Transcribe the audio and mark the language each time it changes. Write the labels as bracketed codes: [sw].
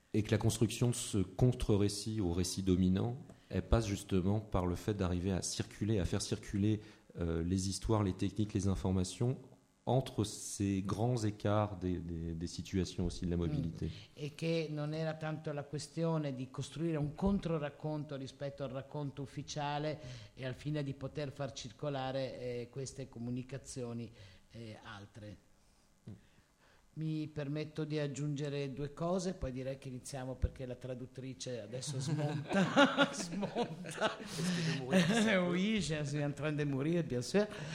[fr] Et que la construction de ce contre-récit au récit dominant, elle passe justement par le fait d'arriver à circuler, à faire circuler les histoires, les techniques, les informations entre ces grands écarts des situations aussi de la mobilité. Et que [it] non era tanto la questione di costruire un contro-racconto rispetto al racconto ufficiale e al fine di poter far circolare queste comunicazioni altre. Mi permetto di aggiungere due cose, poi direi che iniziamo perché la traduttrice adesso smonta. Smonta. [fr] Oui, je suis en train de mourir, bien sûr.